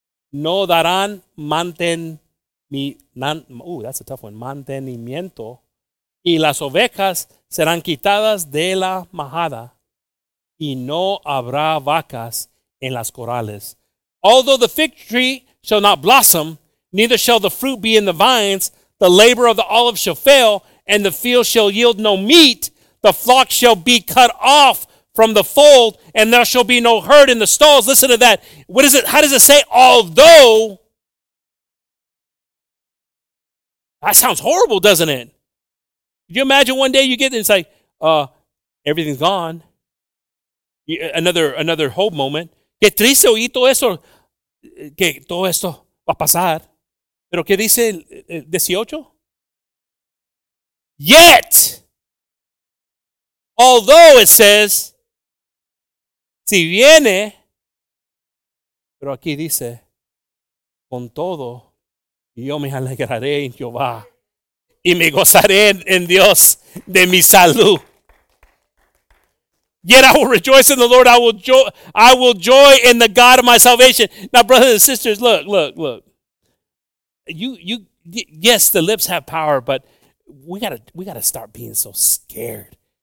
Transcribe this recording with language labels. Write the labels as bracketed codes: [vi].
[es] no darán mantenimiento, y las ovejas serán quitadas de la majada, y no habrá vacas en las corrales. [en] Although the fig tree shall not blossom, neither shall the fruit be in the vines, the labor of the olive shall fail, and the field shall yield no meat, the flock shall be cut off from the fold, and there shall be no herd in the stalls. Listen to that. What is it? How does it say? Although. That sounds horrible, doesn't it? Could you imagine one day you get there and it's like, everything's gone. Another hope moment. [es] Qué triste oír todo eso, que todo esto va a pasar. Pero qué dice el 18? [en] Yet, although it says, [es] si viene, pero aquí dice, con todo, yo me alegraré en Jehová y me gozaré en Dios de mi salud. [en] Yet I will rejoice in the Lord. I will joy in the God of my salvation. Now, brothers and sisters, look. Yes, the lips have power, but we gotta start being so scared.